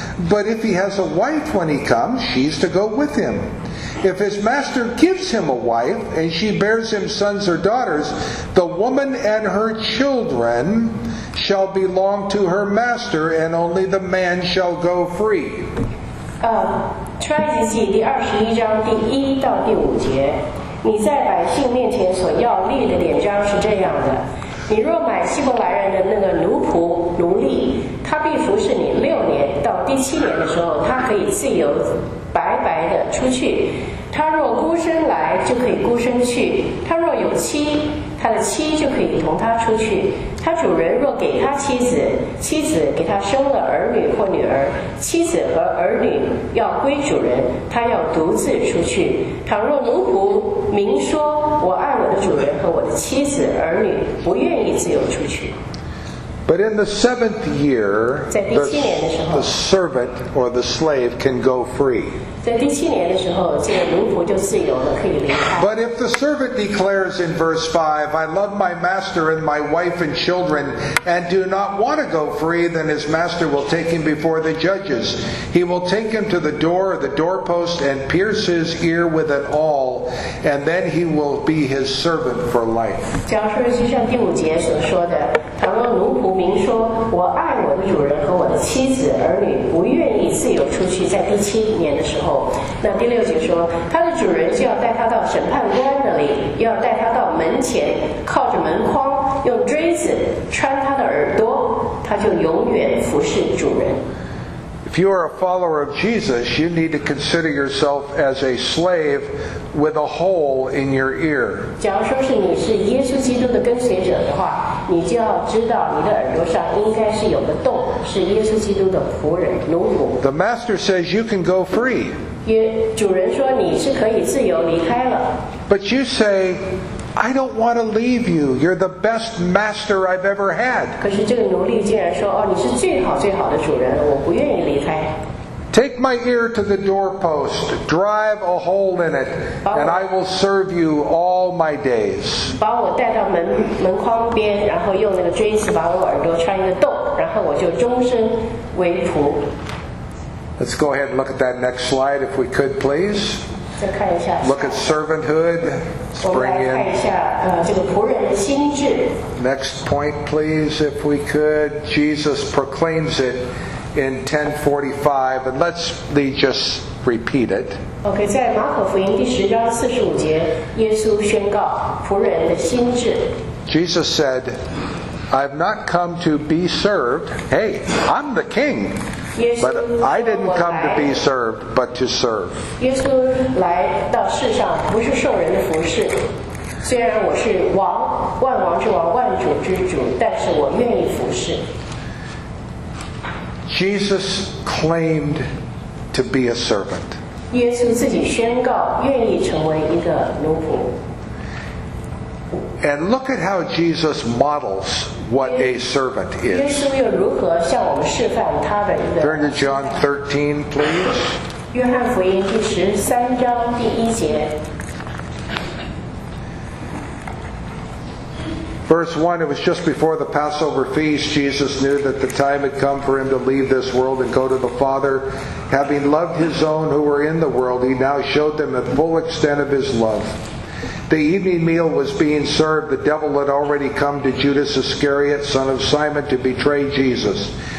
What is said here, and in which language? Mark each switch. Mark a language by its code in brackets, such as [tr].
[en] But if he has a wife when he comes, she's to go with him. If his master gives him a wife and she bears him sons or daughters, the woman and her children shall belong to her master, and only the man shall go free. [zh] 出埃及记第二十一章第一到第五节，你在百姓面前所要立的典章是这样的：你若买希伯来人的那个奴仆奴隶，他必服侍你六年，到第七年的时候，他可以自由白白的出去。他若孤身来，就可以孤身去；他若有妻，他的妻就可以同他出去。他主人若给他妻子，妻子给他生了儿女或女儿，妻子和儿女要归主人，他要独自出去。倘若奴仆明说，我爱我的主人和我的妻子儿女，不愿意自由出去。 [en] But in the seventh year, the servant or the slave can go free. But if the servant declares in verse 5, I love my master and my wife and children and do not want to go free, then his master will take him before the judges. He will take him to the door or the doorpost and pierce his ear with an awl, and then he will be his servant for life. [zh] 假如就像第五节所说的，倘若奴仆明说，我爱我的主人和我的妻子儿女，不愿意自由出去，在第七年的时候，那第六节说，他的主人就要带他到审判官那里，要带他到门前，靠着门框，用锥子穿他的耳朵，他就永远服侍主人。 [en] If you are a follower of Jesus, you need to consider yourself as a slave with a hole in your ear. [zh] 假如说是你是耶稣基督的跟随者的话，你就要知道你的耳朵上应该是有个洞，是耶稣基督的仆人奴仆。 [en] The master says you can go free. [zh] 主人说你是可以自由离开了。 [en] But you say, I don't want to leave you. You're the best master I've ever had. [zh] 可是这个奴隶竟然说，哦，你是最好最好的主人，我不愿意离开。 [en] Take my ear to the doorpost, drive a hole in it, and I will serve you all my days. [zh] 把我带到门框边，然后用那个锥子把我耳朵穿一个洞，然后我就终身为仆。 [en] Let's go ahead and look at that next slide, if we could, please. [zh] 再看一下。 [en] Look at servanthood. Let's bring in. [zh] 我们来看一下，这个仆人的心智。 [en] Next point, please, if we could. Jesus proclaims it. In 10:45, and let's just repeat it. [zh] Okay, 在马可福音第十章四十五节，耶稣宣告仆人的心智。 [en] Jesus said, "I've not come to be served." Hey, I'm the king, but I didn't come to be served, but to serve. [zh] 耶稣来到世上不是受人的服侍，虽然我是王，万王之王，万主之主，但是我愿意服侍。 [en] Jesus claimed to be a servant. [zh] 耶稣自己宣告愿意成为一个奴仆。 [en] And look at how Jesus models what a servant is. [zh] 耶稣又如何向我们示范他的一个？ [en] Turn to John 13, please. [zh] 约翰福音第十三章第一节。 [en] Verse 1, it was just before the Passover feast. Jesus knew that the time had come for him to leave this world and go to the Father. Having loved his own who were in the world, he now showed them the full extent of his love. The evening meal was being served. The devil had already come to Judas Iscariot, son of Simon, to betray Jesus.